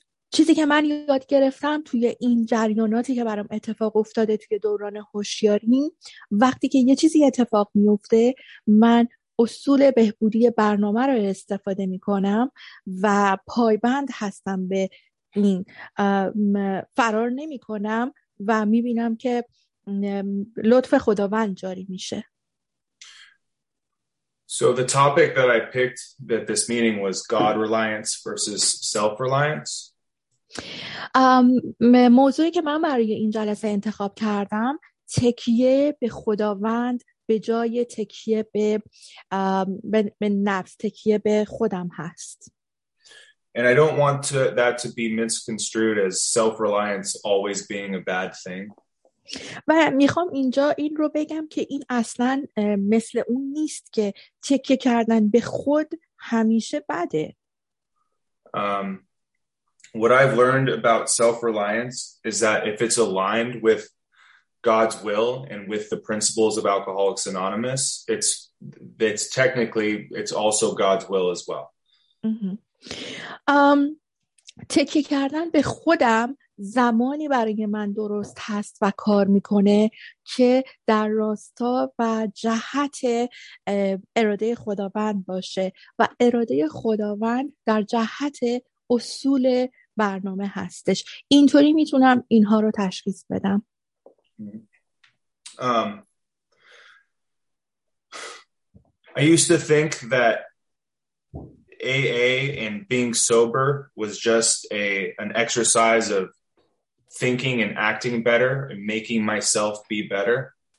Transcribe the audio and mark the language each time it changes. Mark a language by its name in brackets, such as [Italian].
[Persian] چیزی که من یاد گرفتم توی این جریاناتی که برام اتفاق افتاده توی دوران هوشیاری، وقتی که یه چیزی اتفاق میفته من اصول بهبودی برنامه رو استفاده میکنم و پایبند هستم به این، فرار نمیکنم و میبینم که لطف خداوند جاری میشه. [English] So the topic that I picked that this meeting was God reliance versus self reliance. [Persian] موضوعی که من برای این جلسه انتخاب کردم تکیه به خداوند به جای تکیه به نفس، تکیه به خودم هست. [English] And I don't want that to be misconstrued as self-reliance always being a bad thing. [Persian] و میخوام اینجا این رو بگم که این اصلا مثل اون نیست که تکیه کردن به خود همیشه بده. [English] What I've learned about self-reliance is that if it's aligned with God's will and with the principles of Alcoholics Anonymous, it's technically, it's also God's will as well. Mm-hmm. [Persian] تکیه کردن به خودم زمانی برای من درست هست و کار میکنه که در راستا و جهت اراده خداوند باشه و اراده خداوند در جهت اصول برنامه هستش. اینطوری میتونم اینها رو تشخیص بدم. [English] I used to think that AA and being sober was just an exercise of thinking and acting better and making myself be better.